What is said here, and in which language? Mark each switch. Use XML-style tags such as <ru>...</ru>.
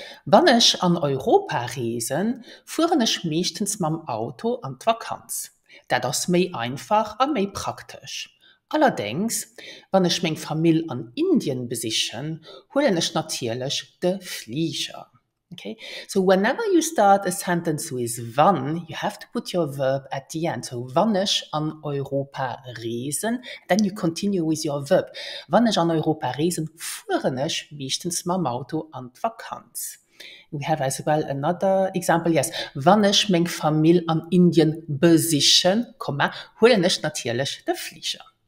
<de>Wenn ich an Europa reise, fuhre ich meistens mit dem Auto an die Vakanz. Das ist mehr einfach und mehr praktisch. Allerdings, wenn ich meine Familie an Indien besuche, hole ich natürlich den Flieger. Okay?</de> <en>So whenever you start a sentence with wann, you have to put your verb at the end. So</en> <de>wann ich an Europa reisen,</de> <en>then you continue with your verb.</en> <de>Wann ich an Europa reisen, fahre ich meistens mit dem Auto an die Vakanz.</de> <en>We have as well another example, yes.</en> <de>Wann ich meine Familie an Indien besuche, hole ich natürlich den Flieger.</de>